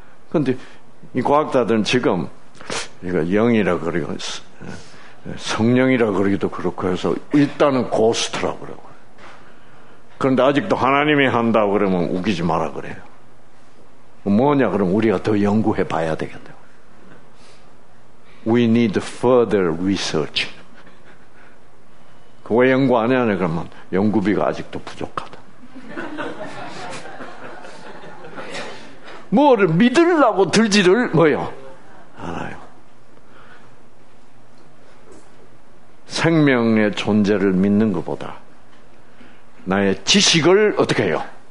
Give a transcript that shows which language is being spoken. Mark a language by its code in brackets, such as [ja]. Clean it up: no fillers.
[ko] 그런데 이 과학자들은 지금 이거 영이라 그러고 성령이라 그러기도 그렇고 해서 일단은 고스트라고 그러고, 그런데 아직도 하나님이 한다고 그러면 우기지 마라 그래요. 뭐냐 그럼 우리가 더 연구해 봐야 되겠다. [en] We need further research. [ko] 왜 연구 안 하냐 그러면 연구비가 아직도 부족하다. 뭐를 믿으려고 들지를 뭐요? 알아요. 생명의 존재를 믿는 것보다 나의 지식을 어떻게 해요?